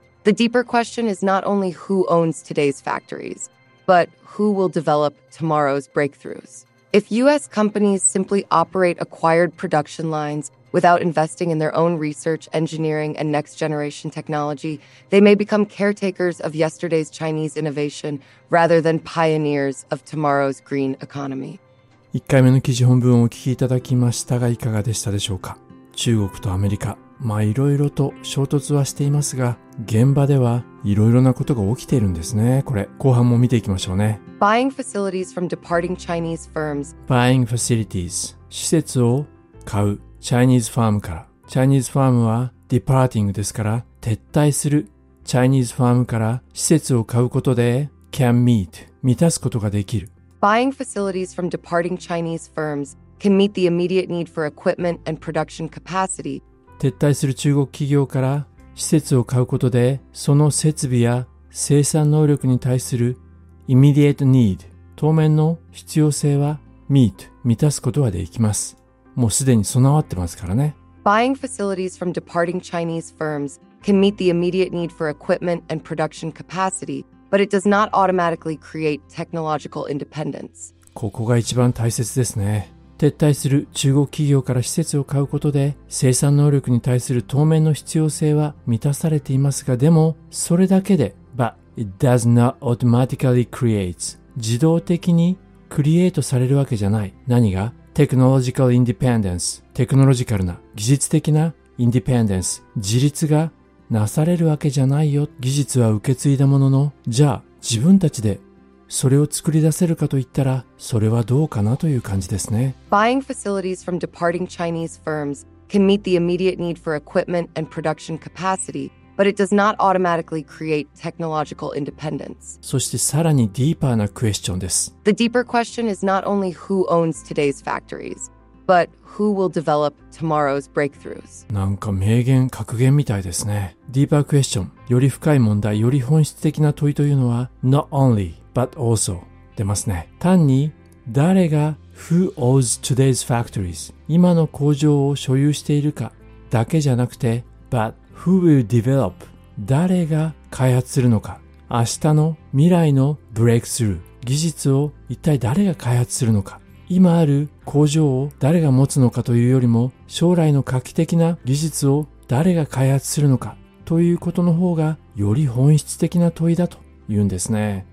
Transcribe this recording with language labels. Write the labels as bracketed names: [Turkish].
[English] The deeper question is not only who owns today's factories, but who will develop tomorrow's breakthroughs. If U.S. companies simply operate acquired production lines without investing in their own research, engineering, and next-generation technology, they may become caretakers of yesterday's Chinese innovation rather than pioneers of tomorrow's green economy. [Japanese] 1回目の記事本文をお聞きいただきましたが、いかがでしたでしょうか。中国とアメリカ、まあいろいろと衝突はしていますが、現場ではいろいろなことが起きているんですね。これ、後半も見ていきましょうね。 [English] Buying facilities from departing Chinese firms. Buying facilities. [Japanese] 施設を買う。 Chinese firm から。 Chinese firm は departing ですから、撤退する。 Chinese firm から施設を買うことで、 [English] can meet、 [Japanese] 満たすことができる。 [English] Buying facilities from departing Chinese firms can meet the immediate need for equipment and production capacity. [Japanese] 撤退する中国企業から施設を買うことで、その設備や生産能力に対する [English] immediate need、 [Japanese] 当面の必要性は meet、満たすことができます。もうすでに備わってますからね。 [English] Buying facilities from departing Chinese firms can meet the immediate need for equipment and production capacity. But it does not automatically create technological independence. [Japanese] ここが一番大切ですね。撤退する中国企業から施設を買うことで、生産能力に対する当面の必要性は満たされていますが、でもそれだけで、 [English] But it does not automatically create. [Japanese] 自動的にクリエイトされるわけじゃない。何が [English] Technological independence. [Japanese] テクノロジカルな、技術的な independence. 自立がなされるわけじゃないよ。技術は受け継いだものの、じゃあ自分たちでそれを作り出せるかといったら、それはどうかなという感じですね。 [English] Buying facilities from departing Chinese firms can meet the immediate need for equipment and production capacity, but it does not automatically create technological independence. [Japanese] そしてさらにディーパーなクエスチョンです。 [English] The deeper question is not only who owns today's factories. But who will develop tomorrow's breakthroughs? [Japanese] なんか名言、格言みたいですね。 [English] Deeper question、 [Japanese] より深い問題、より本質的な問いというのは、not only, but also 出ますね。単に、誰が [English] who owns today's factories? [Japanese] 今の工場を所有しているかだけじゃなくて、 [English] but who will develop? [Japanese] 誰が開発するのか。明日の未来の breakthrough、技術を一体誰が開発するのか。今ある工場を誰が持つのかというよりも、将来の画期的な技術を誰が開発するのかということの方がより本質的な問いだと言うんですね。